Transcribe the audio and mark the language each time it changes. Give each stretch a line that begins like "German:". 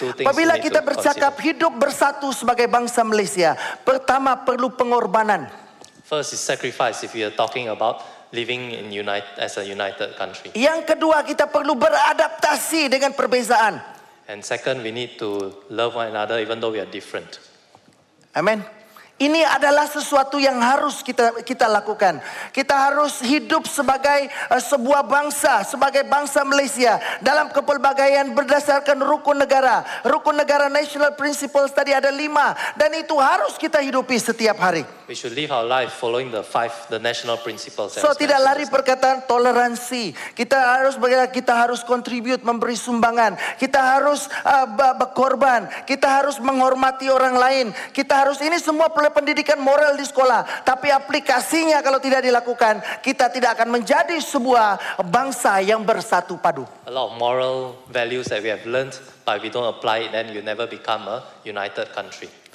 Malay: Apabila kita bercakap hidup bersatu sebagai bangsa Malaysia, pertama perlu pengorbanan.
English: First is sacrifice if you are talking about living in unite, as a united country.
Malay: Yang kedua, kita perlu beradaptasi dengan perbezaan.
English: And second, we need to love one another even though we are different. Amen.
Malay: Ini adalah sesuatu yang harus kita lakukan. Kita harus hidup sebagai sebuah bangsa, sebagai bangsa Malaysia dalam kepelbagaian berdasarkan rukun negara. Rukun negara
English: national principles
Malay: tadi ada 5 dan itu harus kita hidupi setiap hari.
English: We should live our life following the 5 the national principles.
Malay: So tidak lari perkataan toleransi. Kita harus bergerak, kita harus contribute, memberi sumbangan. Kita harus berkorban. Kita harus menghormati orang lain. Kita harus ini semua oleh pendidikan moral di sekolah, tapi aplikasinya kalau tidak dilakukan, kita tidak akan menjadi sebuah bangsa yang bersatu padu.
English: A lot of moral values that we have learned, but if we don't apply it, then you never become a united country.